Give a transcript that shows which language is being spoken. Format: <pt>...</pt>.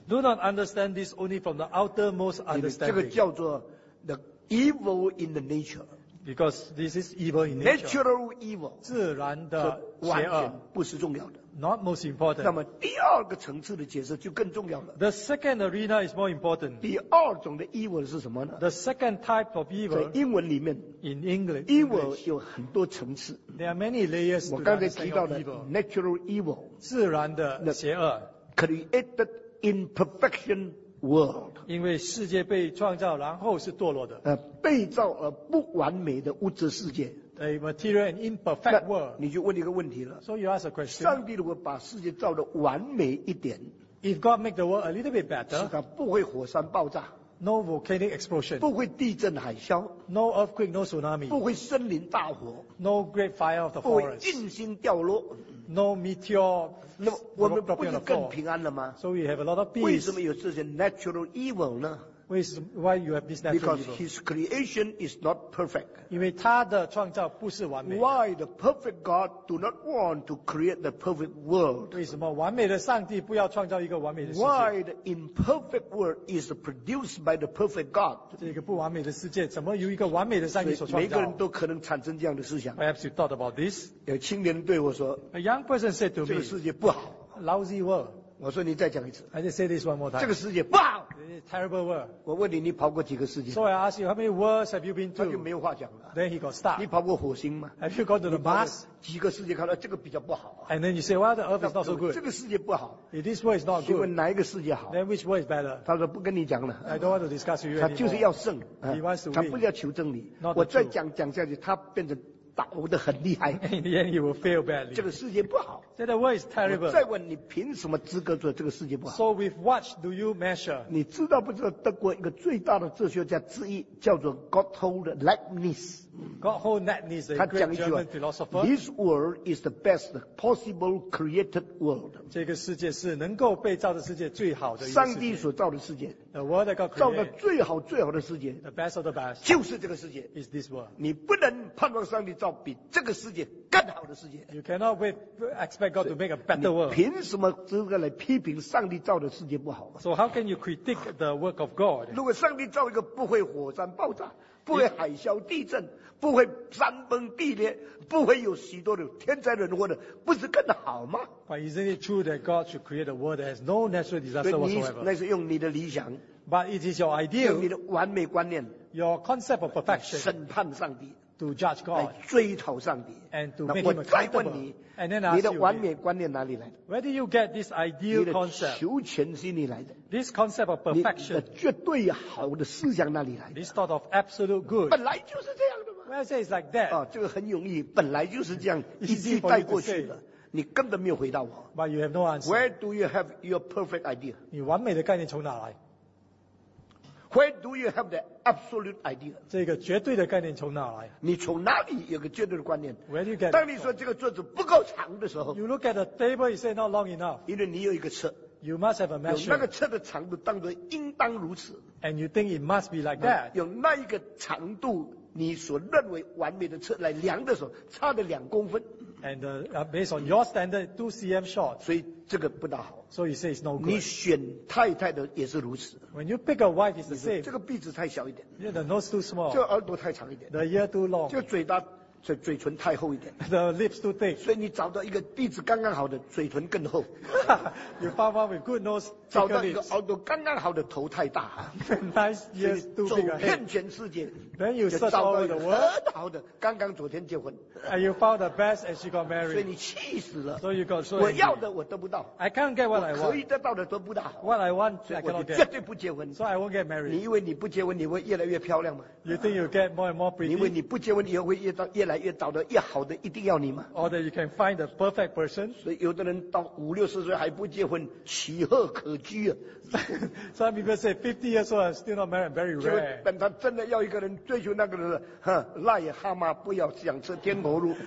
<en>Do not understand this only from the outermost understanding.</en> <zh>这个叫做</zh> <en>the evil in the nature. Because this is evil in nature. Natural evil.</en> <zh>自然的邪恶。完全不是重要的。</zh> <en>Not most important.</en> <zh>那么第二个层次的解释就更重要了。</zh> <en>The second arena is more important.</en> <zh>第二种的 evil 是什么呢？</zh> <en>The second type of evil.</en> <zh>在英文里面,</zh> <en>in English.</en> <zh>Evil 有很多层次。</zh> <en>There are many layers to the understanding of evil. Natural evil.</en> <zh>自然的邪恶。</zh> <en>Created imperfection. World,</en> <zh>因为世界被创造，然后是堕落的。被造而不完美的物质世界。</zh> <en>A material and imperfect world.</en> <zh>那你就问一个问题了。</zh> <en>So you ask a question.</en> <zh>上帝如果把世界造得完美一点，</zh> <en>if God make the world a little bit better,</en> <zh>是它不会火山爆炸。</zh> <en>No volcanic explosion.</en> <zh>不会地震海啸。</zh> <en>No earthquake, no tsunami.</en> <zh>不会森林大火。</zh> <en>No great fire of the forest.</en> <zh>不会硬星掉落。</zh> <en>No meteor.</en> <zh>那么我们不是更平安了吗？</zh> <en>So we have a lot of peace.</en> <zh>为什么有这些 natural evil 呢？</zh> <en>Why you have this natural Because evil? His creation is not perfect.</en> <zh>因为他的创造不是完美的。</zh> <en>Why the perfect God do not want to create the perfect world?</en> <zh>为什么完美的上帝不要创造一个完美的世界?</zh> <en>Why the imperfect world is produced by the perfect God?</en> <zh>这个不完美的世界怎么由一个完美的上帝所创造？所以每个人都可能产生这样的思想。</zh> <en>Perhaps you thought about this.</en> <zh>有青年人对我说,</zh> <en>A young person said to me,</en> <zh>这个世界不好,</zh> <en>Lousy world.</en> <zh>我说你再讲一次,</zh> <en>I just say this one more time.</en> <zh>这个世界不好,</zh> <en>Terrible world.</en> <zh>我问你你跑过几个世界?</zh> <en>So I ask you, how many worlds have you been to?</en> <zh>他就没有话讲了。</zh> <en>Then he got stuck.</en> <zh>你跑过火星吗?</zh> <en>Have you gone to the Mars?</en> <zh>几个世界看到, 这个比较不好。</zh> <en>And then you say, well, the earth is not so good.</en> <zh>这个世界不好。</zh> <en>If this world is not good,</en> <zh>请问哪一个世界好?</zh> <en>Then which world is better?</en> <zh>他说不跟你讲了。</zh> <en>I don't want to discuss with you anymore.</en> <zh>他就是要胜,</zh> <en>he wants to win.</en> <zh>他不要求真理。</zh> <en>Not</en> <zh>我再讲下去, 他变成 倒得很厉害,</zh> <en>In the end, he will fail badly.</en> <zh>这个世界不好,</zh> <en>so the world is terrible.</en> <zh>我再问, 你凭什么资格做这个世界不好?</zh> <en>So with what do you measure?</en> <zh>你知道不知道德国一个最大的哲学家之一, 叫做 Gotthold Leibniz.</zh> <en>Gotthold Leibniz, a great German philosopher. This world is the best possible created world.</en> <zh>这个世界是能够被造的世界最好的一个世界。上帝所造的世界,</zh> <en>The world that God created.</en> <zh>造的最好最好的世界,</zh> <en>The best of the best.</en> <zh>就是这个世界,</zh> <en>is this world.</en> <zh>你不能盼望上帝造比这个世界更好的世界。</zh> <en>You cannot wait, expect God to make a better world.</en> <zh>你凭什么资格来批评上帝造的世界不好?</zh> <en>So how can you critique the work of God?</en> <zh>如果上帝造一个不会火山爆炸, 不会海啸地震, 不会山崩地裂, 不会有许多的天灾人祸的, 不是更好吗?</zh> <en>But isn't it true that God should create a world that has no natural disaster whatsoever?</en> <zh>那是用你的理想,</zh> <en>but it is your ideal,</en> <zh>用你的完美观念,</zh> <en>your concept of perfection,</en> <zh>审判上帝,</zh> <en>to judge God,</en> <zh>来追讨上帝,</zh> <en>and to make him accountable. And then ask you,</en> <zh>你的完美观念哪里来的?</zh> <en>Where do you get this ideal concept?</en> <zh>你的求全心里来的?</zh> <en>This concept of perfection.</en> <zh>你的绝对好的思想哪里来的?</zh> <en>This thought of absolute good.</en> <zh>本来就是这样的嘛?</zh> <en>Where I say it's like that?</en> <zh>这个很容易, 本来就是这样, 一句带过去的, 你根本没有回答我。</zh> <en>But you have no answer. Where do you have your perfect idea?</en> <zh>你完美的概念从哪来?</zh> <en>Where do you have the absolute idea?</en> <zh>这个绝对的概念从哪来? 你从哪里有个绝对的观念?</zh> <en>Where do you get it?</en> <zh>当你说这个桌子不够长的时候,</zh> <en>You look at the table, you say not long enough.</en> <zh>因为你有一个尺,</zh> <en>You must have a measure.</en> <zh>有那个尺的长度当作应当如此,</zh> <en>And you think it must be like that.</en> <zh>有那一个长度, 你所认为完美的尺来量的时候, 差了2公分,</zh> <en>And based on your standard, 2 cm short.</en> <zh>所以这个不大好。</zh> <en>So you say it's no good.</en> <zh>你选太太的也是如此。</zh> <en>When you pick a wife, it's the same.</en> <zh>你说这个鼻子太小一点。</zh> <en>Yeah, the nose too small.</en> <zh>这耳朵太长一点。</zh> <en>The ear too long.</en> <zh>这嘴唇太厚一点。</zh> <en>The lips too thick.</en> <zh>所以你找到一个鼻子刚刚好的, 嘴唇更厚。</zh> <en>You found one with good nose,</en> <zh>找到一个耳朵刚刚好的, 头太大。</zh> <en>Nice ears too big.</en> <zh>走遍全世界。</zh> <en>Then you search all over the world.</en> <zh>很好的, 刚刚昨天结婚,</zh> <en>and you found the best and she got married.</en> <zh>所以你气死了,</zh> <en>so you got so</en> <zh>我要的我得不到,</zh> <en>I can't get what I want.</en> <zh>可以得到的都不大好,</zh> <en>what I want, I cannot get.</en> <zh>绝对不结婚,</zh> <en>so I won't get married.</en> <zh>你以为你不结婚, 你会越来越漂亮吗?</zh> <en>You think you'll get more and more pretty?</en> <zh>你以为你不结婚, 以后会越来越找到越好的, 一定要你吗?</zh> <en>Or that you can find the perfect person?</en> <zh>所以有的人到50-60岁还不结婚, 奇贺可居啊。</zh> <en>Some people say 50 years old and still not married, very rare.</en> <zh>就本他真的要一个人, 追求那个人是癞蛤蟆不要想吃天鹅肉。</zh>